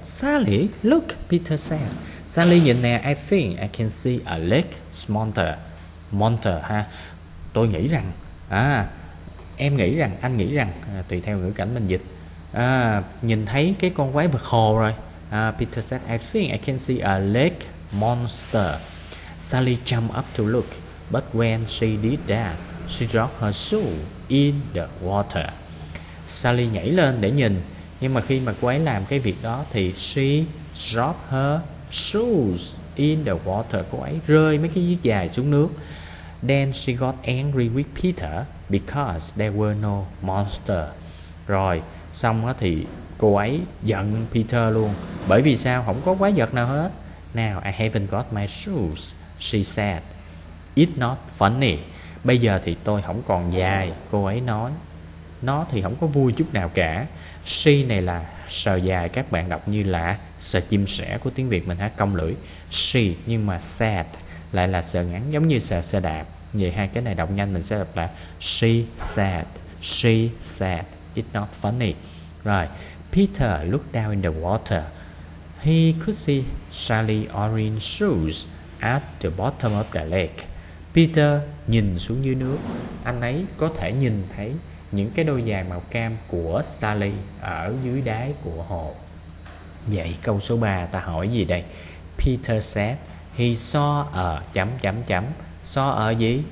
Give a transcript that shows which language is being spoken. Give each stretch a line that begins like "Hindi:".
English: Sally, look, Peter said. Sally
Vietnamese: nhìn nè,
English: I think I can see a lake smolder. Monter ha.
Vietnamese: Tôi nghĩ rằng, em nghĩ rằng, anh nghĩ rằng, tùy theo ngữ cảnh mình dịch. Nhìn thấy cái con quái vật hồ rồi.
English: Peter said, I think I can see a lake monster. Sally jumped up to look. But when she did that, she dropped her shoe in the water.
Vietnamese: Sally nhảy lên để nhìn. Nhưng mà khi mà cô ấy làm cái việc đó thì
English: she dropped her shoes in the water.
Vietnamese: Cô ấy rơi mấy cái chiếc giày xuống nước.
English: Then she got angry with Peter because there were no monster.
Vietnamese: Rồi, xong đó thì cô ấy giận Peter luôn. Bởi vì sao? Không có quái vật nào hết.
English: Now I haven't got my shoes, she said. It's not funny.
Vietnamese: Bây giờ thì tôi không còn giày, cô ấy nói. Nó thì không có vui chút nào cả. She này là sờ dài, các bạn đọc như là sờ chim sẻ của tiếng Việt mình hả, cong lưỡi. She, nhưng mà sad lại là sờ ngắn, giống như sờ xe đạp. Vậy hai cái này đọc nhanh mình sẽ đọc là
English: she sad, it's not funny. Rồi, Peter looked down in the water. He could see Sally's orange shoes at the bottom of the lake.
Vietnamese: Peter nhìn xuống dưới nước, anh ấy có thể nhìn thấy những cái đôi giày màu cam của Sally ở dưới đáy của hồ. Vậy câu số 3 ta hỏi gì đây?
English: Peter said he saw a
Vietnamese: chấm chấm chấm. Saw ở gì?